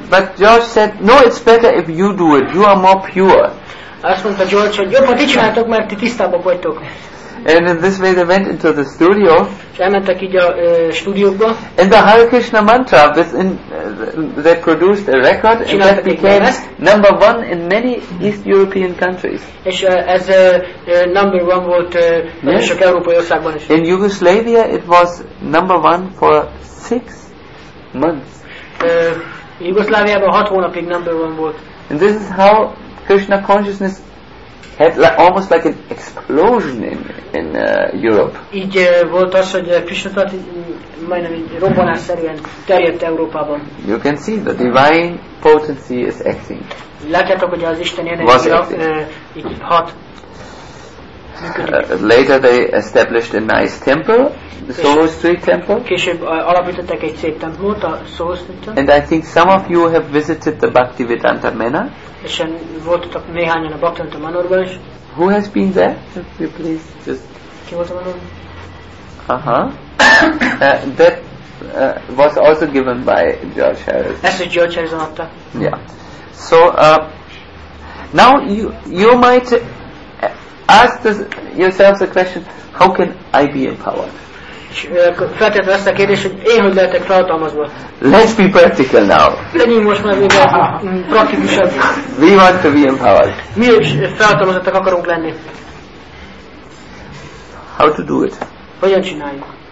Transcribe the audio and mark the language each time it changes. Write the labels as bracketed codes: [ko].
[en] But George said, no, it's better if you do it, you are more pure. [hu] Azt mondta George, hogy jobb, ha ti csináltok, mert ti tisztábbak vagytok. [en] And in this way they went into the studio. [hu] És elmentek így a stúdiókba. [en] And the Hare Krishna mantra, within, they produced a record and that became number one in many East European countries. [hu] És ez [en] number one [hu] volt sok európai országban is. [en] In Yugoslavia it was number one for 6 months. [hu] Jugoszláviában 6 hónapig [en] number one [hu] volt. [en] And this is how Krishna consciousness had like, almost like an explosion in Europe. [hu] Így volt az, hogy Krishna tudat majdnem robbanásszerűen terjedt Európában. [en] You can see the divine potency is acting. [hu] Látjátok, hogy az Isten energia így hat. [en] Later they established a nice temple, the Solo Street Temple. [hu] Később alapítottak egy szép templomot, a Solo Street Temple. [en] And I think some of you have visited the Bhaktivedanta Manor. [hu] És voltatok néhányan a Bhaktivedanta Manorban is. [en] Who has been there? If you please just. [hu] Ki volt a manor? [en] That was also given by George Harrison. [hu] Ez is George Harrison adta. [en] Yeah. So now you might ask yourself the question, how can I be empowered? [hu] Feltétlenül ezt a kérdést, hogy én hogy lehetek felhatalmazva. [en] Let's be practical now. [hu] Legyünk most már még praktikusabb. [en] We want to be empowered. [hu] Mi is felhatalmazottak akarunk lenni. [en] How to do it? [hu] Hogyan csináljuk?